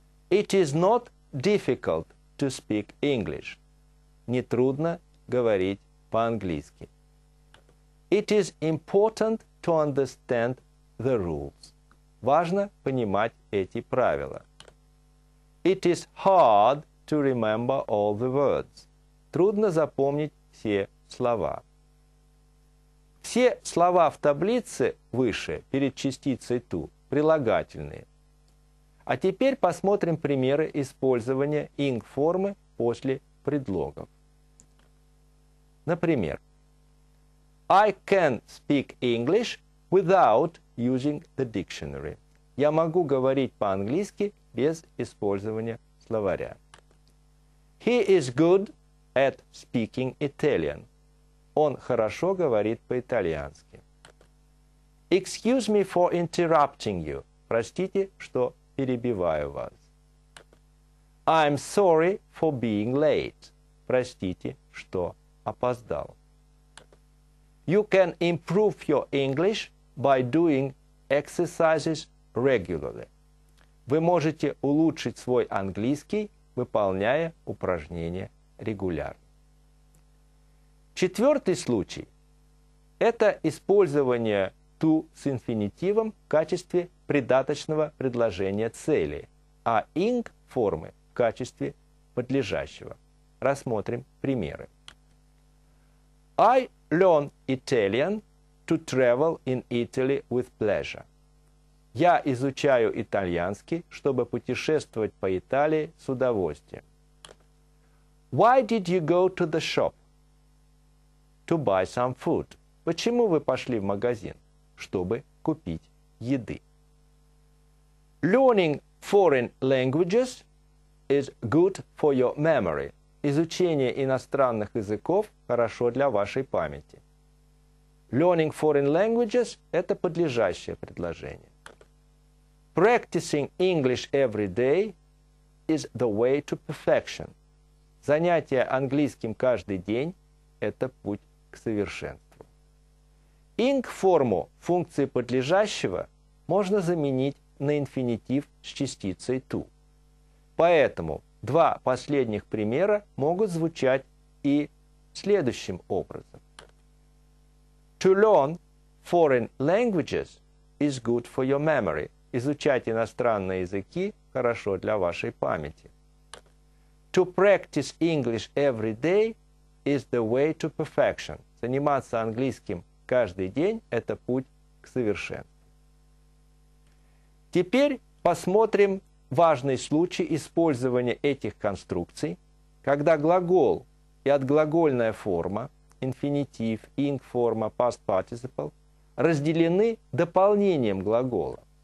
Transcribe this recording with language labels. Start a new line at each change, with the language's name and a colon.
English: It is not difficult to speak English.
Russian: Нетрудно говорить по-английски.
English: It is important to understand the rules.
Russian: Важно понимать эти правила.
English: It is hard to remember all the words.
Russian: Трудно запомнить все слова. Все слова в таблице выше, перед частицей to, прилагательные. А теперь посмотрим примеры использования ing формы после предлогов. Например,
English: I can speak English without using the dictionary.
Russian: Я могу говорить по-английски без использования словаря.
English: He is good at speaking Italian.
Russian: Он хорошо говорит по-итальянски.
English: Excuse me for interrupting you.
Russian: Простите, что перебиваю вас.
English: I'm sorry for being late.
Russian: Простите, что опоздал.
English: You can improve your English by doing exercises regularly.
Russian: Вы можете улучшить свой английский, выполняя упражнения регулярно. Четвертый случай – это использование to с инфинитивом в качестве придаточного предложения цели, а ing формы в качестве подлежащего. Рассмотрим примеры.
English: I learn Italian to travel in Italy with pleasure.
Russian: Я изучаю итальянский, чтобы путешествовать по Италии с удовольствием.
English: Why did you go to the shop? To buy some food.
Russian: Почему вы пошли в магазин? Чтобы купить еды.
English: Learning foreign languages is good for your memory.
Russian: Изучение иностранных языков хорошо для вашей памяти.
English: Learning foreign languages
Russian: – это подлежащее предложение.
English: Practicing English every day is the way to perfection.
Russian: Занятие английским каждый день – это путь к совершенству. Ing-форму функции подлежащего можно заменить на инфинитив с частицей to. Поэтому два последних примера могут звучать и следующим образом.
English: To learn foreign languages is good for your memory.
Russian: Изучать иностранные языки хорошо для вашей памяти.
English: To practice English every day is the way to perfection.
Russian: Заниматься английским каждый день – это путь к совершенству. Теперь посмотрим важный случай использования этих конструкций, когда глагол и отглагольная форма – инфинитив, ing-форма, past participle – разделены дополнением глагола.